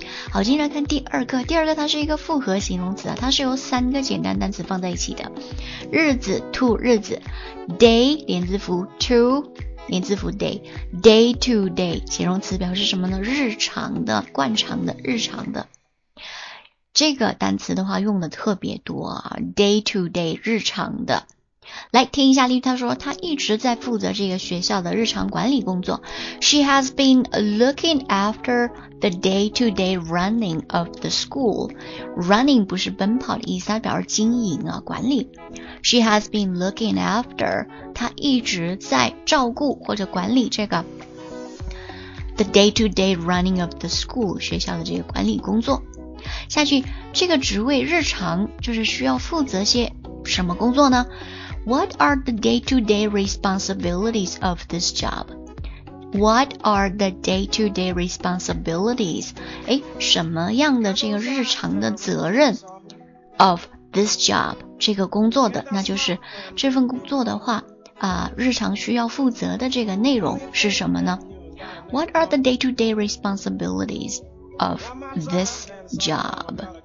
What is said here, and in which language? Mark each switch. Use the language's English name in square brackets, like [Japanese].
[Chinese] 好，接下来看第二个，第二个它是一个复合形容词，它是由三个简单单词放在一起的，日子 to 日子， day 连字符 to 连字符 day, day to day 形容词，表示什么呢？日常的、惯常的、日常的。这个单词的话用的特别多啊， day to day 日常的。来听一下例句，他说他一直在负责这个学校的日常管理工作。 [English] She has been looking after the day-to-day running of the school. [Chinese] Running 不是奔跑的意思，它表示经营啊，管理。 [English] She has been looking after, [Chinese] 他一直在照顾或者管理这个 [English] the day-to-day running of the school, [Chinese] 学校的这个管理工作。下去，这个职位日常就是需要负责些什么工作呢？ [English] What are the day-to-day responsibilities of this job? What are the day-to-day responsibilities? [Chinese] 诶，什么样的这个日常的责任 [English] of this job? [Chinese] 这个工作的，那就是这份工作的话啊，日常需要负责的这个内容是什么呢？ [English] What are the day-to-day responsibilities of this job?